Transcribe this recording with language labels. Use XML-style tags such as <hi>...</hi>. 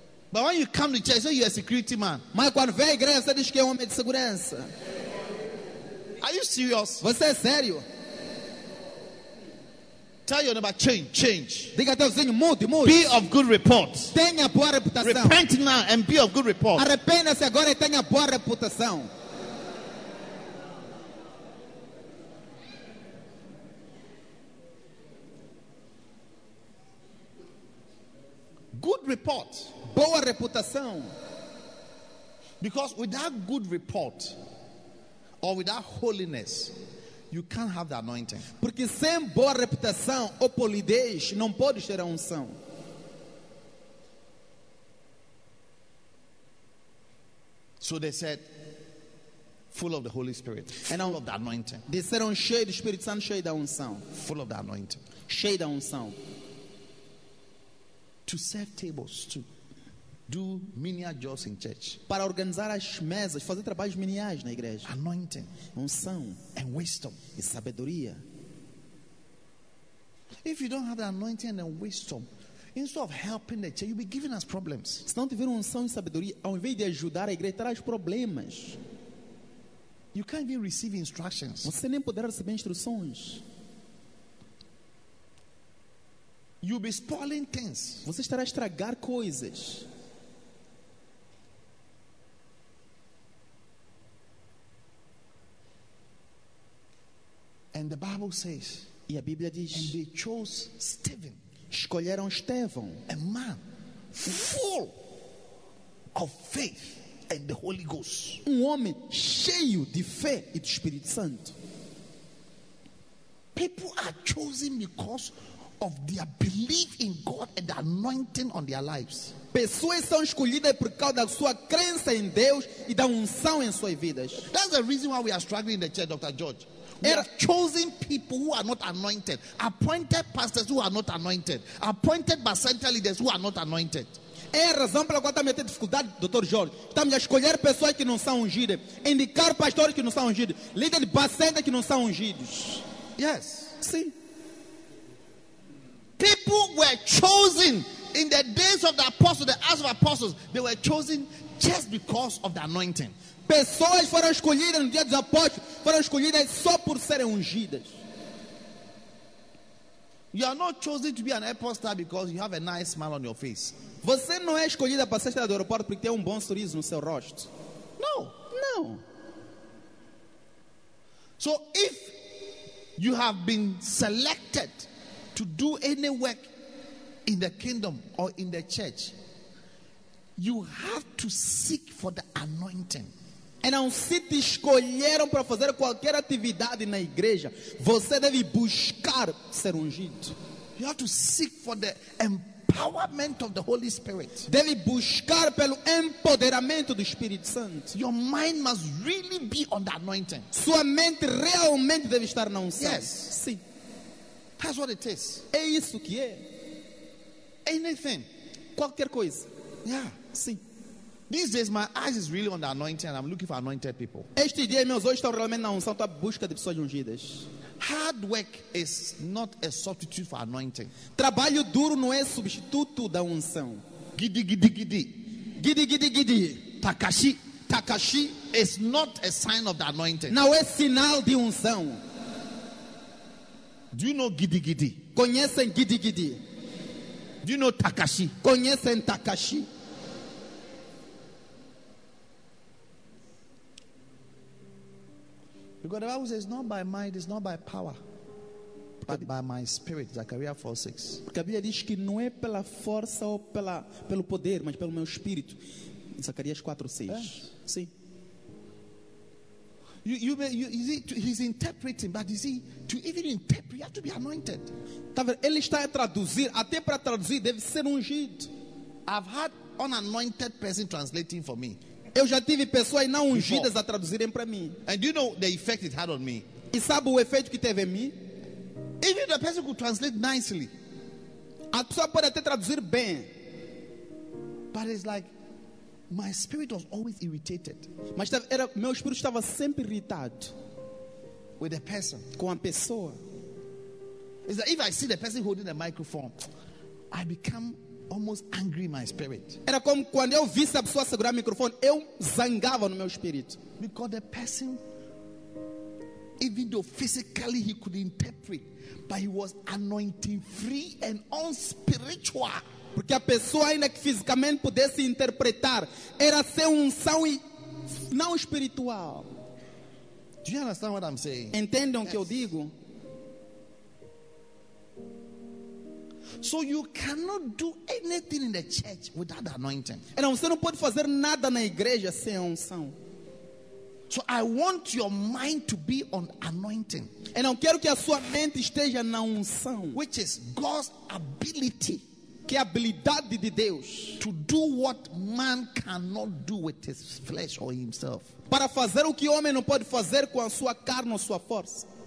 <en>But when you come to church, you say you're a security man.</en> <pt>Mas quando vem à igreja, você diz que é um homem de segurança.</pt> <en>Are you serious?</en> <pt>Você é sério?</pt> <en>Tell your neighbor, change.</en> <pt>Diga ao teu vizinho, mude.</pt> <en>Be of good report.</en> <pt>Tenha boa reputação.</pt> <en>Repent now and be of good report.</en> <pt>Arrependa-se agora e tenha boa reputação.</pt> <en>Good report.</en> <pt>Boa reputação.</pt> <en>Because without good report or without holiness, you can't have the anointing.</en> <pt>Porque sem boa reputação ou polidez, não pode ter a unção.</pt> <en>So they said, full of the Holy Spirit, full of the anointing.</en> <pt>Disseram cheio do Espírito Santo, cheio da unção.</pt> <en>Full of the anointing.</en> <pt>Cheio da unção.</pt> <en>To serve tables too. do menial jobs in church.</en> <pt>Para organizar as mesas, fazer trabalhos meniais na igreja.</pt> <en>Anointing,</en> <pt>unção,</pt> <en>and wisdom,</en> <pt>e sabedoria.</pt> <en>If you don't have the anointing and wisdom, instead of helping the church, you'll be giving us problems.</en> <pt>Se não tiver unção e sabedoria, ao invés de ajudar a igreja, terá os problemas.</pt> <en>You can't even receive instructions.</en> <pt>Você nem poderá receber instruções.</pt> <en>You'll be spoiling things.</en> <pt>Você estará a estragar coisas.</pt> <en>And the Bible says,</en> <pt>e a Bíblia diz,</pt> <en>and they chose Stephen,</en> <pt>escolheram Estevão,</pt> <en>a man full of faith and the Holy Ghost.</en> <pt>Um homem cheio de fé e do Espírito Santo.</pt> <en>People are chosen because of their belief in God and the anointing on their lives.</en> <pt>Pessoas são escolhidas por causa da sua crença em Deus e da unção em suas vidas.</pt> <en>That's the reason why we are struggling in the church, Dr. George. We have chosen people who are not anointed, appointed pastors who are not anointed, appointed by center leaders who are not anointed.</en> <pt>É a razão pela qual estamos a ter dificuldade, Dr. Jorge. Estamos a escolher pessoas que não são ungidas, indicar pastores que não são ungidos, líderes bastante que não são ungidos.</pt> <en>Yes.</en> <pt>Sim.</pt> <en>People were chosen in the days of the apostles, the acts of apostles. They were chosen just because of the anointing.</en> <pt>Pessoas foram escolhidas no dia dos apóstolos, foram escolhidas só por serem ungidas.</pt> <en>You are not chosen to be an airport star because you have a nice smile on your face.</en> <pt>Você não é escolhida para ser estrela do aeroporto porque tem um bom sorriso no seu rosto.</pt> <en>No.</en> <pt>No.</pt> <en>So if you have been selected to do any work in the kingdom or in the church, you have to seek for the anointing.</en> <pt>E não se te escolheram para fazer qualquer atividade na igreja, você deve buscar ser ungido.</pt> <en>You have to seek for the empowerment of the Holy Spirit.</en> <pt>Deve buscar pelo empoderamento do Espírito Santo.</pt> <en>Your mind must really be on the anointing.</en> <pt>Sua mente realmente deve estar na unção.</pt> <en>Yes.</en> <pt>Sim.</pt> <en>That's what it is.</en> <pt>É isso que é.</pt> <en>Anything.</en> <pt>Qualquer coisa.</pt> <en>Yeah.</en> <pt>Sim.</pt> <en>These days my eyes is really on the anointing and I'm looking for anointed people.</en> <pt>Este dia meus olhos estão realmente na unção, estou à busca de pessoas ungidas.</pt> <en>Hard work is not a substitute for anointing.</en> <pt>Trabalho duro não é substituto da unção. Gidi gidi gidi. Gidi gidi gidi. Takashi takashi</pt> <en>is not a sign of the anointing.</en> <pt>Não é sinal de unção.</pt> <en>Do you know gidi gidi?</en> <pt>Conhecem gidi gidi?</pt> <en>Do you know takashi?</en> <pt>Conhecem takashi?</pt> <en>Because the Bible says, not by might, it's not by power, but by my spirit. Zechariah 4:6.</en> <pt>Porque a Bíblia diz que não é pela força ou pelo poder, mas pelo meu espírito.</pt> <en>Zechariah 4:6.</en> <pt>É. Sim.</pt> <en>He's interpreting, but you see, to even interpret, you have to be anointed.</en> <pt>Ele está a traduzir, até para traduzir, deve ser ungido.</pt> <en>I've had an anointed person translating for me.</en> <pt>Eu já tive pessoas não ungidas a traduzirem para mim.</pt> <en>And do you know the effect it had on me?</en> <pt>E sabe o efeito que teve em mim?</pt> <en>Even the person could translate nicely.</en> <pt>A pessoa pode até traduzir bem.</pt> <en>But it's like my spirit was always irritated.</en> <pt>Mas meu espírito estava sempre irritado</pt> <en>with the person.</en> <pt>Com a pessoa.</pt> <en>It's like if I see the person holding a microphone, I become almost angry in my spirit.</en> <pt>Era como quando eu vi a pessoa segurar o microfone, eu zangava no meu espírito.</pt> <en>Because the person, even though physically he could interpret, but he was anointing free and unspiritual.</en> <pt>Porque a pessoa ainda que fisicamente pudesse interpretar, era ser unção e não espiritual.</pt> <en>Do you understand what I'm saying?</en> <pt>Entendam o que eu digo?</pt> <en>So you cannot do anything in the church without the anointing.</en> <pt>Então você não pode fazer nada na igreja sem unção.</pt> <en>So I want your mind to be on anointing.</en> <pt>Então quero que a sua mente esteja na unção,</pt> <en>which is God's ability,</en> <pt>que é a habilidade de Deus,</pt> <en>to do what man cannot do with his flesh or himself.</en> <pt>Para fazer o que homem não pode fazer com a sua carne ou sua força.</pt>